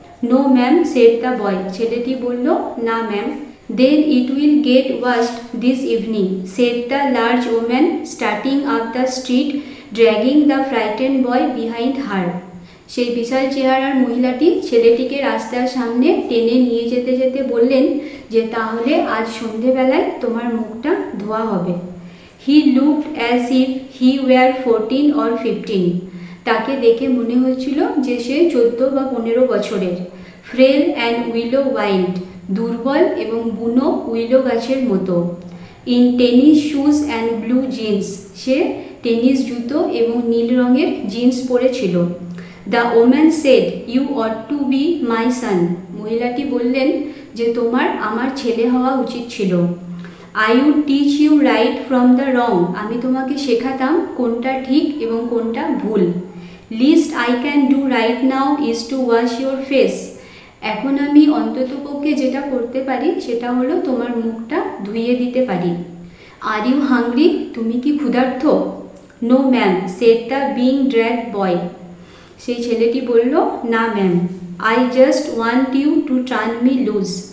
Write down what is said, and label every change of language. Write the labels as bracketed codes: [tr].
[en] no ma'am said the boy, [bn] ছেলেটি বলল না ma'am. [en] then it will get washed this evening said the large woman starting up the street dragging the frightened boy behind her, [bn] সেই বিশাল চেহারার মহিলাটি ছেলেটিকে রাস্তার সামনে টেনে নিয়ে যেতে যেতে বললেন যে তাহলে আজ সন্ধেবেলায় তোমার মুখটা ধোয়া হবে। [en] He looked as if he were 14 or 15. [bn] তাকে দেখে মনে হয়েছিল যে সে 14 বা 15 বছরের। [en] Frail and willow wild, [bn] দুর্বল এবং বুনো উইলো গাছের মতো। [en] In tennis shoes and blue jeans, [bn] say tennis জুতো এবং নীল রঙের জিন্স পরেছিল। [en] The woman said, you ought to be my son. [bn] মহিলাটি বললেন যে তোমার আমার ছেলে হওয়া উচিত ছিল। [en] I would teach you right from the wrong. [bn] আমি তোমাকে শেখাতাম কোনটা ঠিক এবং কোনটা ভুল। [en] Least I can do right now is to wash your face. [bn] এখন আমি অন্ততপক্ষে যেটা করতে পারি সেটা হলো তোমার মুখটা ধুইয়ে দিতে পারি। [en] are you hungry, [bn] তুমি কি ক্ষুধার্ত? [en] No ma'am, said the being drag boy. [bn] সেই ছেলেটি বলল, না ma'am, [en] I just want you to turn me loose.